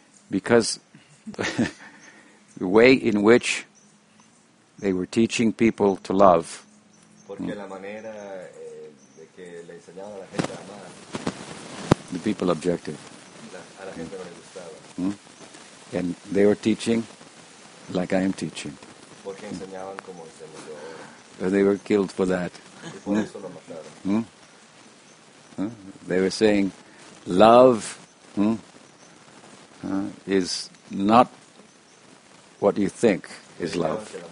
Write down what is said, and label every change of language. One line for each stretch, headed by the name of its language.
English: Because the way in which they were teaching people to love.
Spanish: Porque la manera de que le enseñaban a la gente a amar.
English: The people objected.
Spanish: A la gente no le gustaba.
English: And they were teaching like I am teaching.
Spanish: Porque enseñaban como enseño yo ahora.
English: And they were killed for that.
Spanish: Y por eso lo mataron.
English: They were saying, love is not what you think is love.